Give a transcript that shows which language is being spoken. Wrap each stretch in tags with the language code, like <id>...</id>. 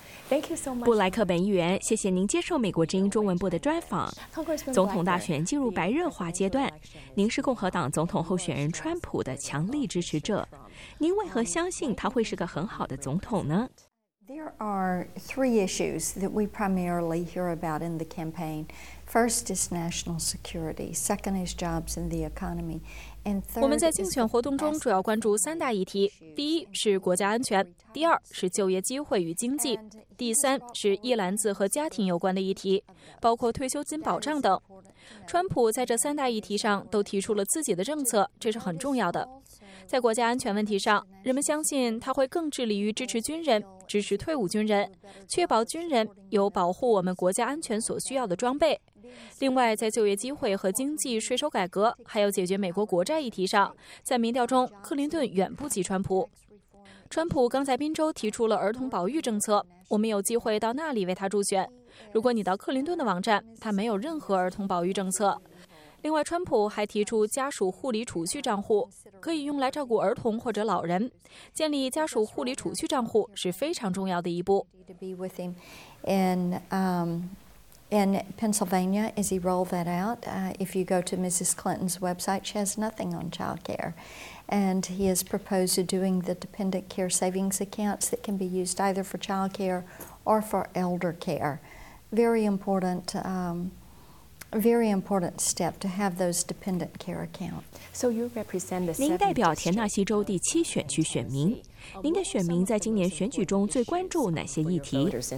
<en>Thank you so much.</en> <zh>布莱克本议员，谢谢您接受美国之音中文部的专访。总统大选进入白热化阶段，您是共和党总统候选人川普的强力支持者，您为何相信他会是个很好的总统呢？</zh> <en>There are three issues that we primarily hear about in the campaign. First is national security. Second is jobs and the economy.</en> <zh>我们在竞选活动中主要关注三大议题，第一是国家安全，第二是就业机会与经济，第三是一篮子和家庭有关的议题，包括退休金保障等。川普在这三大议题上都提出了自己的政策，这是很重要的。在国家安全问题上，人们相信他会更致力于支持军人，支持退伍军人，确保军人有保护我们国家安全所需要的装备。另外，在就业机会和经济、税收改革，还有解决美国国债议题上，在民调中，克林顿远不及川普。川普刚在宾州提出了儿童保育政策，我们有机会到那里为他助选。如果你到克林顿的网站，他没有任何儿童保育政策。另外，川普还提出家属护理储蓄账户，可以用来照顾儿童或者老人。建立家属护理储蓄账户是非常重要的一步。</zh> <en>In Pennsylvania, as he rolled that out, if you go to Mrs. Clinton's website, she has nothing on child care. And he has proposed doing the dependent care savings accounts that can be used either for child care or for elder care. Very important step to have those dependent care accounts. So you represent the</en> <zh>您代表田纳西州第七选区选民，您的选民在今年选举中最关注哪些议题？</zh>